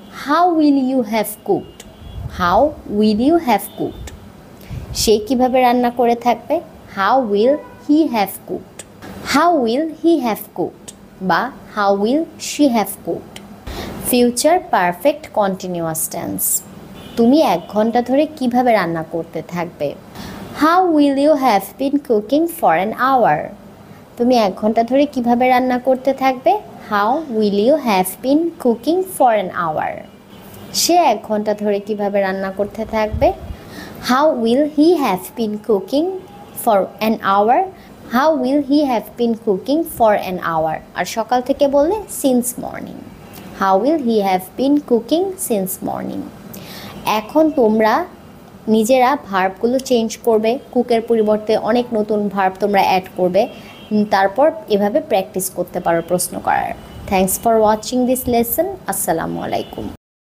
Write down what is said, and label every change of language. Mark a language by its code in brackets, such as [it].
[en] How will you have cooked? How will you have cooked? [bn] সে কিভাবে রান্না করে থাকবে? [en] How will he have cooked? How will he have cooked? বা How will she have cooked? Future perfect continuous tense. [bn] তুমি এক ঘন্টা ধরে কিভাবে রান্না করতে থাকবে? [en] How will you have been cooking for an hour? [bn] তুমি এক ঘন্টা ধরে কিভাবে রান্না করতে থাকবে? [en] How will you have been cooking for an hour? [bn] সে এক ঘন্টা ধরে কিভাবে রান্না করতে থাকবে? [en] How will he have been cooking for an hour? How will he have been cooking for an hour? [bn] আর সকাল থেকে বললে [en] since morning. How will he have been cooking since morning? [bn] এখন তোমরা নিজেরা ভার্বগুলো চেঞ্জ করবে, কুকের পরিবর্তে অনেক নতুন ভার্ব তোমরা অ্যাড করবে, তারপর এভাবে প্র্যাকটিস করতে পারো প্রশ্ন করার। [en] Thanks for watching this lesson. [bn] আসসালামু আলাইকুম।